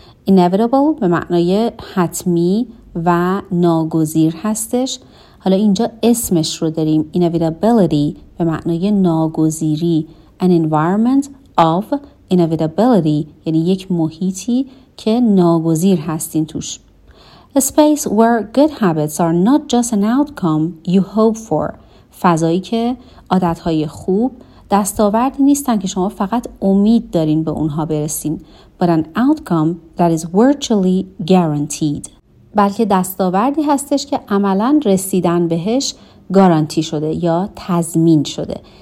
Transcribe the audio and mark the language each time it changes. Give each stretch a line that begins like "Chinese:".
Persian: Inevitable به معنای حتمی و ناگزیر هستش. حالا اینجا اسمش رو داریم. Inevitability به معنای ناگزیری.
English: An environment of inevitability
Persian: یعنی یک محیطی که ناگزیر هستین توش.
English: A space where good habits are not just an outcome you hope for.
Persian: فضایی که عادتهای خوب دستاوردی نیستن که شما فقط امید دارین به اونها برسین.
English: But an outcome that is virtually guaranteed.
Persian: بلکه دستاوردی هستش که عملاً رسیدن بهش گارانتی شده یا تضمین شده.